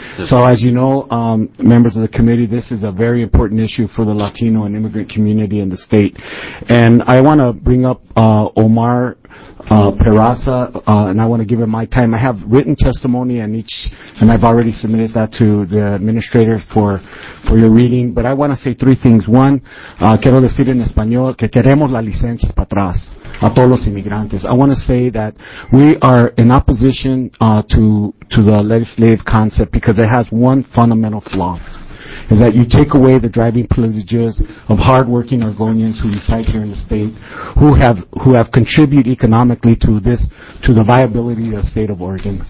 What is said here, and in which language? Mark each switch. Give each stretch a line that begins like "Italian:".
English: So as you know, members of the committee, this is a very important issue for the Latino and immigrant community in the state. And I want to bring up Omar Peraza, and I want to give him my time. I have written testimony on each, and I've already submitted that to the administrator for your reading, but I want to say three things.
Spanish: One, quiero decir en español que queremos las licencias para atrás a todos los inmigrantes.
English: I want to say that we are in opposition to the legislative concept because it has one fundamental flaw, is that you take away the driving privileges of hardworking Oregonians who reside here in the state, who have contributed economically to the viability of the state of Oregon.